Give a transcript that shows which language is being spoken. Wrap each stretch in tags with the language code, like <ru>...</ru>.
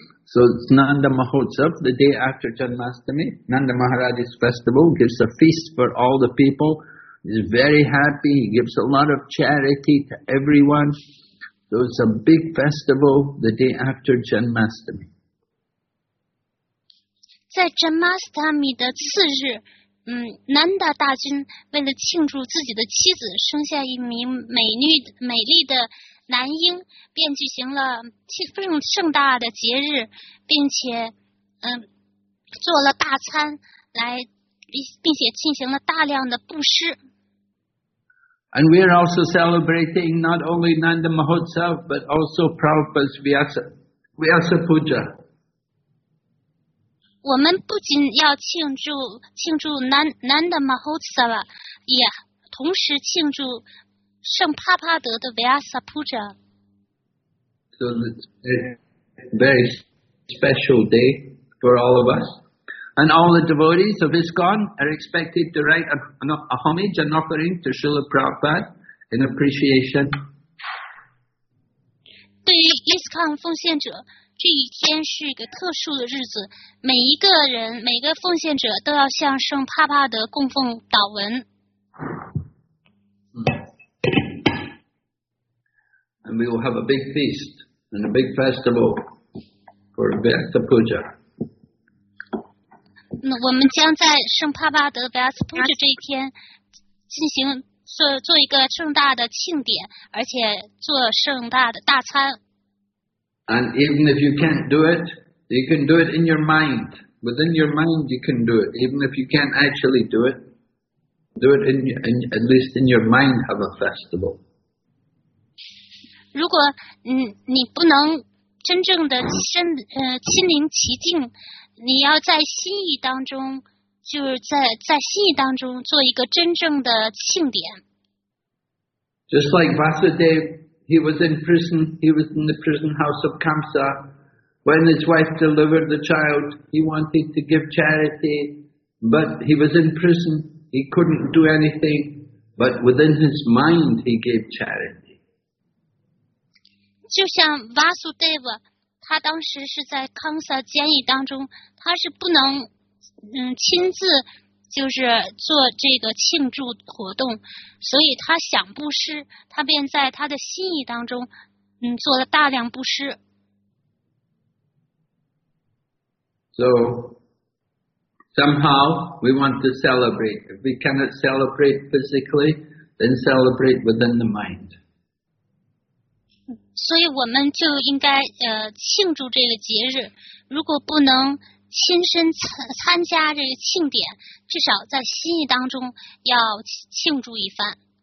<en>So it's Nanda Mahotsav, the day after Janmashtami. Nanda Maharaj's festival gives a feast for all the people. He's very happy. He gives a lot of charity to everyone. So it's a big festival the day after Janmashtami.</en> <zh>在 Janmashtami 的次日，南达大军为了庆祝自己的妻子生下一名美丽的男婴，便举行了非常盛大的节日，并且做了大餐来，并且进行了大量的布施。</zh> <en>And we are also celebrating not only Nanda Mahotsav, but also Prabhupada's Vyasa Puja.</en> <zh>我们不仅要庆祝 Nanda Mahotsav, 也同时庆祝圣帕帕德的 Vyasa Puja.</zh> <en>So it's a very special day for all of us. And all the devotees of ISKCON are expected to write a homage, an offering to Srila Prabhupada in appreciation.</en> <zh>对于 ISKCON 奉献者，这一天是一个特殊的日子，每一个人，每个奉献者都要向圣帕帕德供奉祷文。</zh> <en>And we will have a big feast and a big festival for Vyasa Puja.</en> <zh>我们将在圣帕帕德 Vyasa Puja 这一天进行 做一个盛大的庆典，而且做盛大的大餐。</zh> <en>And even if you can't do it, you can do it in your mind. Within your mind, you can do it. Even if you can't actually do it, do it in at least in your mind, have a festival.</en> <zh>如果你不能真正的亲临其境，你要在心意当中，就是在心意当中做一个真正的庆典。</zh> <en>Just like Vasudev, he was in prison. He was in the prison house of Kamsa. When his wife delivered the child, he wanted to give charity, but he was in prison. He couldn't do anything, but within his mind, he gave charity.</en> <zh>就像 Vasudev。他当时是在康萨监狱当中，他是不能亲自就是做这个庆祝活动，所以他想布施，他便在他的心意当中做了大量布施。</zh> <en>So somehow we want to celebrate. If we cannot celebrate physically, then celebrate within the mind.</en> <zh>所以我们就应该庆祝这个节日，如果不能亲身参加这个庆典，至少在心意当中要庆祝一番。</zh>